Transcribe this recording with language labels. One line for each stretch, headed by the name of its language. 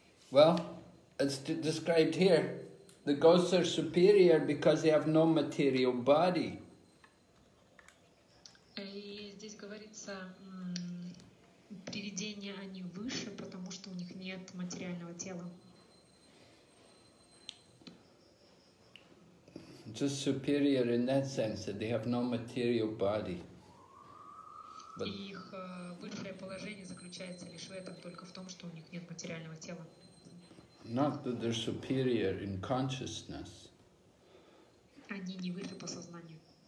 English: Well, it's described here. The ghosts are superior because they have no material body.
Russian: и здесь говорится, привидения они выше, потому что у них нет материального тела.
English: Just superior in that sense that they have no material body.
Russian: But их высшее положение заключается лишь в этом, только в том, что у них нет материального тела.
English: Not that they're superior in consciousness.
Russian: Они не выше по сознанию.